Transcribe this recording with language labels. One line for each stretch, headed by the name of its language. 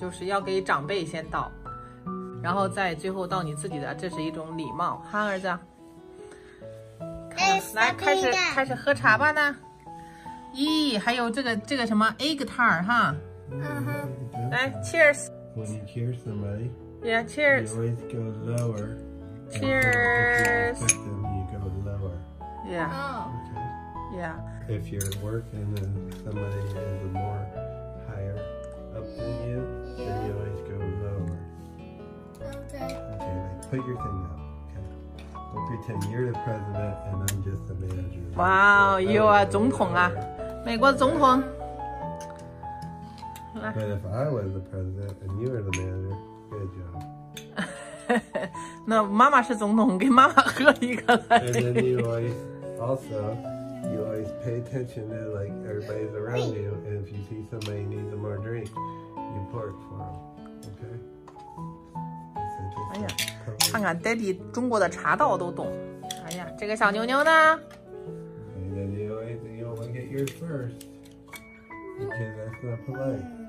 Chinese: 就是要给长辈先倒，然后再最后倒你自己的，这是一种礼貌。哈，儿子。来，开始喝茶吧呢。咦，还有这个什么 egg tart 哈。
English: Uh-huh. Yeah. Cheers. When you cheers them, right? Yeah, cheers. You always go lower. Cheers. When you go lower. Yeah. Oh. Okay. Yeah. If you're working and somebody is more higher up than you, then you always go lower. Okay. Okay, like put your thing up. Okay. We'll pretend you're the president and I'm just the manager. Wow, you are
Chinese: 总统啊，美国总统。
English: But if I was the president and you were the manager, good job.
Chinese: 那妈妈是总统，给妈妈喝一个。
English: And then you always, also, you always pay attention to like everybody's around you. And if you see somebody needs a more drink, you pour it for them. Okay.
Chinese: 哎呀，看看 Daddy 中国的茶道都懂。哎呀，这个小妞妞呢
English: ？And then you always, you want to get yours first because that's not polite.